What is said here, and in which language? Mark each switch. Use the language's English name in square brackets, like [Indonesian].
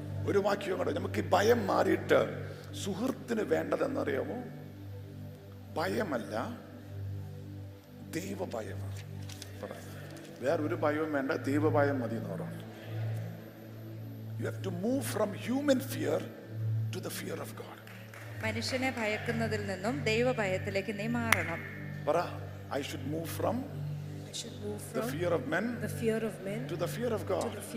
[Malayalam] ഒരു വാക്യം കണ്ടോ, നമുക്ക് ഈ ഭയം മാറിയിട്ട് സുഹൃത്തിന് വേണ്ടതെന്നറിയാമോ? ഭയമല്ല, ദൈവ ഭയമാണ്. വേറൊരു ഭയവും വേണ്ട, ദൈവ ഭയം മതി എന്ന് പറഞ്ഞു. [English] You have to move from human fear to the fear of God. [Malayalam] മനുഷ്യനെ ഭയക്കുന്നതിൽ നിന്നും ദൈവ ഭയത്തിലേക്ക് നീ മാറണം. [English] പറ, I should move from the fear of men to the fear of God.